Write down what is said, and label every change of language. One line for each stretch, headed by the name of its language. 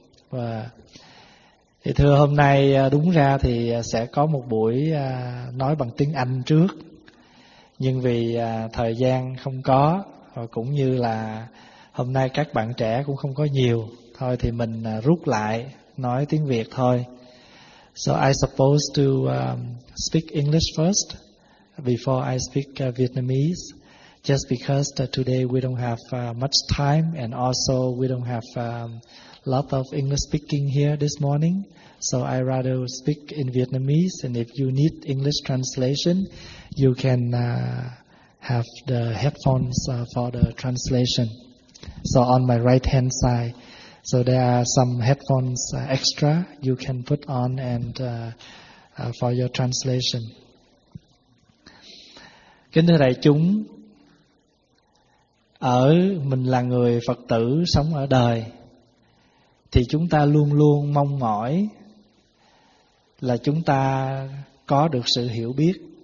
Vietnamese: Và thì thưa hôm nay đúng ra thì sẽ có một buổi nói bằng tiếng Anh trước, nhưng vì thời gian không có, cũng như là hôm nay các bạn trẻ cũng không có nhiều, thôi thì mình rút lại nói tiếng Việt thôi.
English: So I supposed to speak English first before I speak Vietnamese, just because today we don't have much time and also we don't have lot of English speaking here this morning. So I rather speak in Vietnamese, and if you need English translation, you can have the headphones for the translation. So on my right hand side, so there are some headphones extra you can put on and for your translation.
Vietnamese: Kính thưa đại chúng, ở mình là người Phật tử sống ở đời thì chúng ta luôn luôn mong mỏi là chúng ta có được sự hiểu biết.